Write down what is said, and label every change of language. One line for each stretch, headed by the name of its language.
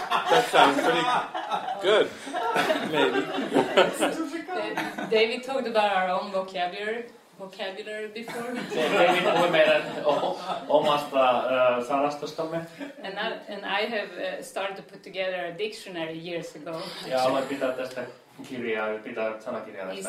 English: That sounds pretty good. Maybe. David talked about our own vocabulary before.
Finnish: David puhui meidän omasta sanastostamme.
English: And I have started to put together a dictionary years ago.
Finnish: Ja aloin pitää tästä kirjaa, pitää sanakirjaa tästä.